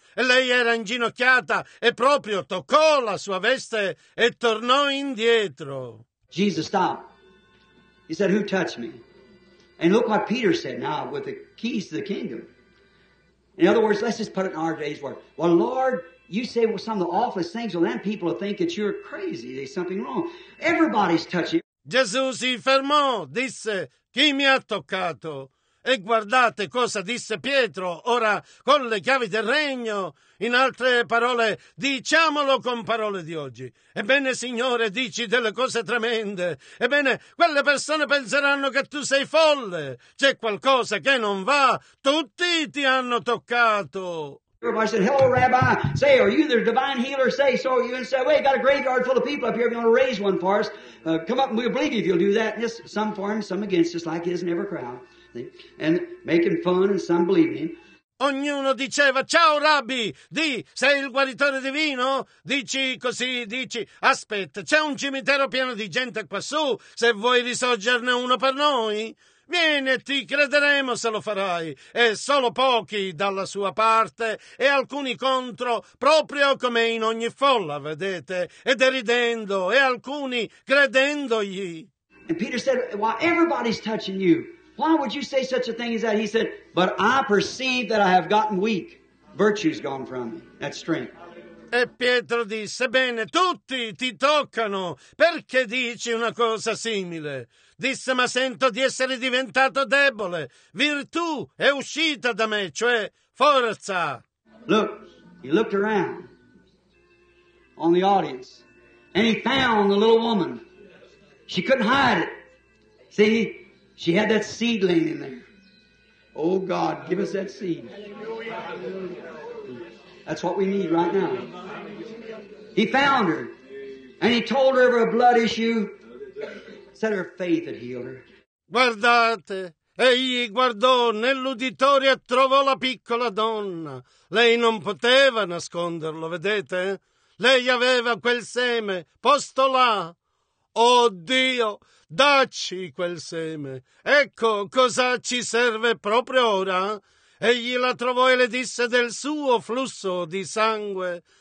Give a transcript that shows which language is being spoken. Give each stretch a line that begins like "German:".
Italian: E lei era inginocchiata e proprio toccò la sua veste e tornò indietro.
English: Jesus stopped. He said, who touched me? And look what Peter said now with the keys to the kingdom. In other words, let's just put it in our day's word. Well, Lord, you say some of the awfulest things, well, then people will think that you're crazy, there's something wrong. Everybody's touching.
Italian: Gesù si fermò, disse, chi mi ha toccato? E guardate cosa disse Pietro, ora con le chiavi del regno. In altre parole, diciamolo con parole di oggi. Ebbene, Signore, dici delle cose tremende. Ebbene, quelle persone penseranno che tu sei folle. C'è qualcosa che non va. Tutti ti hanno toccato.
English: Everybody said, hello, Rabbi. Say, are you the divine healer? Say so. You said, well, you got a graveyard full of people up here. If you want to raise one for us, come up and we'll believe you if you'll do that. Just some for him, some against, just like his in every crowd. And making fun and some believing.
Italian: Ognuno diceva, ciao Rabbi, di, sei il guaritore divino? Dici così, dici, aspetta, c'è un cimitero pieno di gente quassù, se vuoi risorgerne uno per noi? Vieni, ti crederemo se lo farai. E solo pochi dalla sua parte e alcuni contro, proprio come in ogni folla, vedete, e deridendo e alcuni credendogli.
English: And Peter said, well, everybody's touching you. Why would you say such a thing as that? He said, but I perceive that I have gotten weak. Virtue's gone from me. That's strength.
Italian: E Pietro disse, bene, tutti ti toccano. Perché dici una cosa simile? Disse, ma sento di essere diventato debole. Virtù è uscita da me, cioè forza.
English: Look, he looked around on the audience and he found the little woman. She couldn't hide it. See? She had that seed laying in there. Oh God, give us that seed. That's what we need right now. He found her. And he told her of her blood issue. Said her faith had healed her.
Italian: Guardate. Egli guardò nell'uditorio e trovò la piccola donna. Lei non poteva nasconderlo, vedete? Lei aveva quel seme posto là. Oh Dio! Dacci quel seme. Ecco cosa ci serve proprio ora. Egli la trovò e le disse del suo flusso di sangue.